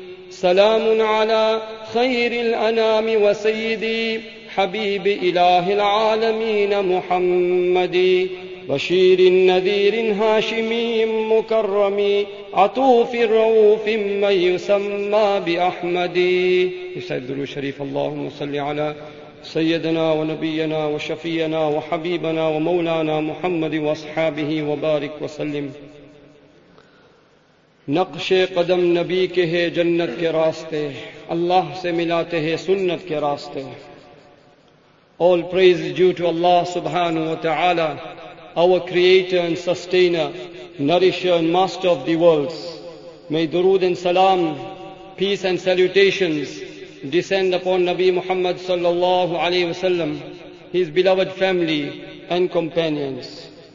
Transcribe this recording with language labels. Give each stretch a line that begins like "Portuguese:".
Arabic: سلام على خير الأنام وسيدي حبيب إله العالمين محمد، بشير النذير هاشمي مكرم، عطوف الروف من يسمى بأحمد. يسعد ذلو الشريف، اللهم صل على سيدنا ونبينا وشفينا وحبيبنا ومولانا محمد وأصحابه وبارك وسلم.
Urdu: نقش قدم نبی کے ہے جنت کے راستے، اللہ سے ملاتے ہیں سنت کے راستے.
English: All praise due to Allah subhanahu wa ta'ala, our creator and sustainer, nourisher and master of the worlds. May durood and salam, peace and salutations descend upon Nabi Muhammad sallallahu alayhi wasallam, his beloved family and companions.